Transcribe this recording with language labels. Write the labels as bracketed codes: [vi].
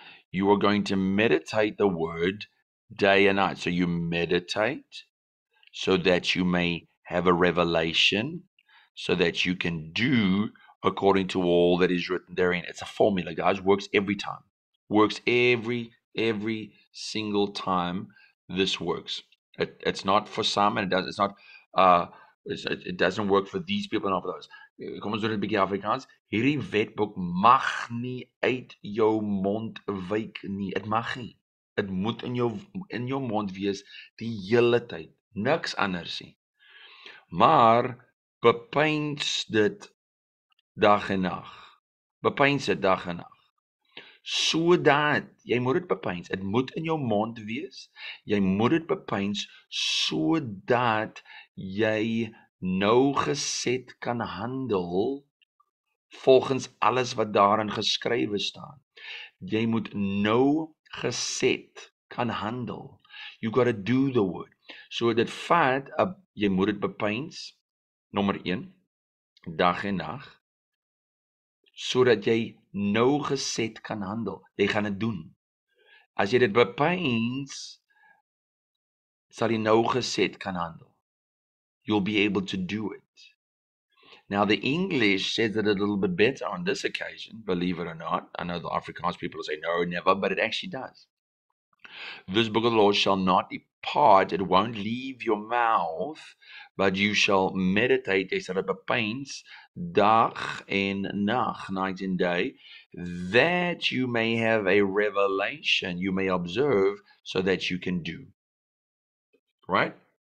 [en] You are going to meditate the word day and night. So you meditate so that you may have a revelation, so that you can do according to all that is written therein. It's a formula, guys. Works every time. Works every single time this works. It's not for some, and it doesn't work for these people and all of those. [af] Kom ons doen 'n bietjie Afrikaans. Hierdie wetboek mag nie uit jou mond wyk nie. Dit mag nie. Dit moet in jou mond wees die hele tyd. Niks anders nie. Maar bepeins dit dag en nag. Bepeins dit dag en nag. Sodat jy moet dit bepeins. Dit moet in jou mond wees. Jy moet dit bepeins sodat jy nou gesed kan handel volgens alles wat daarin geskrywe staan. Jy moet nou gesed kan handel. [en] You got to do the word. [af] So dit vat jy moet dit bepeins nommer 1 dag en nag sodat jy nou gesed kan handel. Jy gaan dit doen. As jy dit bepeins, sal jy nou gesed kan handel. [en] You'll be able to do it. Now the English says it a little bit better on this occasion, believe it or not. I know the Afrikaans people say no, never, but it actually does. This book of the law shall not depart, it won't leave your mouth, but you shall meditate, they said it [af] bepeins, dag en nag, [en] night and day, that you may have a revelation, you may observe, so that you can do. Right?